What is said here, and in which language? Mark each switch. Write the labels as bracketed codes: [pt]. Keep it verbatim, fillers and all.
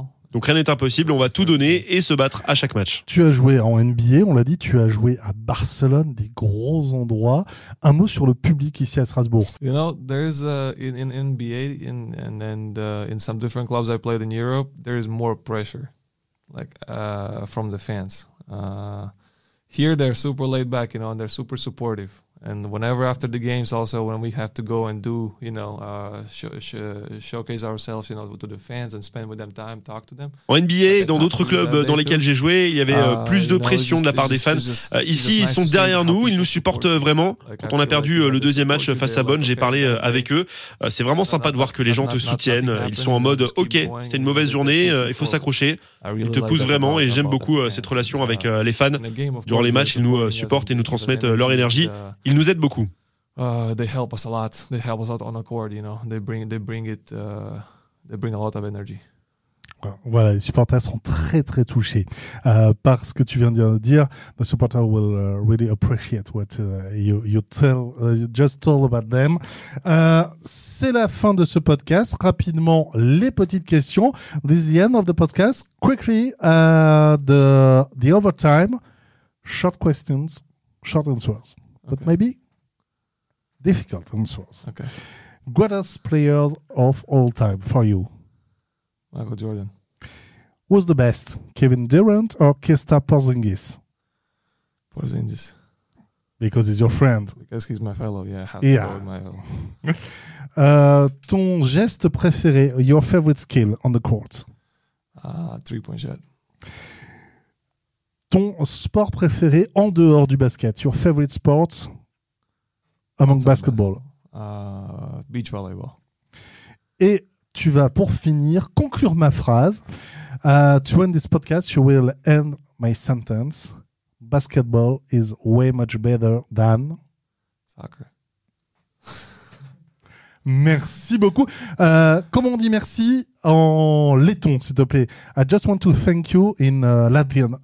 [fr] Donc rien n'est impossible, on va tout donner et se battre à chaque match. Tu as joué en N B A, on l'a dit, tu as joué à Barcelone, des gros endroits. Un mot sur le public ici à Strasbourg. [en] You know, there is uh, in, in N B A in, and, and uh, in some different clubs I played in Europe, there is more pressure, like uh, from the fans. Uh, here they're super laid back, you know, and they're super supportive. And whenever after the games, also when we have to go and do, you know, uh, sh- sh- showcase ourselves, you know, to the fans and spend with them time, talk to them. [fr] En N B A, dans d'autres clubs dans lesquels j'ai joué, il y avait uh, plus de know, pression just, de la part just, des fans. Just, uh, ici, ils sont derrière nous, ils nous supportent vraiment. Like, quand on a perdu like, le deuxième match face à Bonn, j'ai parlé avec eux. C'est vraiment sympa de voir que les gens te soutiennent. Ils sont en mode, ok, c'était une mauvaise journée, il faut s'accrocher. Ils te poussent vraiment et j'aime beaucoup cette relation avec les fans. Durant les matchs, ils nous supportent et nous transmettent leur énergie. Ils nous aident beaucoup. [en] Uh, they help us a lot. They help us out on the court, you know. They bring, they bring it. Uh, they bring a lot of energy. [fr] Voilà, les supporters sont très très touchés euh, par ce que tu viens de dire. [en] The supporters will uh, really appreciate what uh, you, you tell, uh, you just told about them. [fr] Euh, c'est la fin de ce podcast. Rapidement, les petites questions. [en] This is the end of the podcast. Quickly, uh, the the overtime. Short questions, short answers. But okay. Maybe difficult answers. Okay. Greatest players of all time for you? Michael Jordan. Who's the best, Kevin Durant or Kristaps Porzingis? Porzingis. Because he's your friend. Because he's my fellow, yeah. Yeah. My uh, [fr] ton geste préféré, [en] your favorite skill on the court? Ah, three-point shot. [fr] Ton sport préféré en dehors du basket? [en] Your favorite sport among basketball? Uh, beach volleyball. [fr] Et tu vas pour finir conclure ma phrase. [en] Uh, to end this podcast, you will end my sentence. Basketball is way much better than soccer. [fr] Merci beaucoup. Euh, comment on dit merci en letton, s'il te plaît? [en] I just want to thank you in uh, Latvian.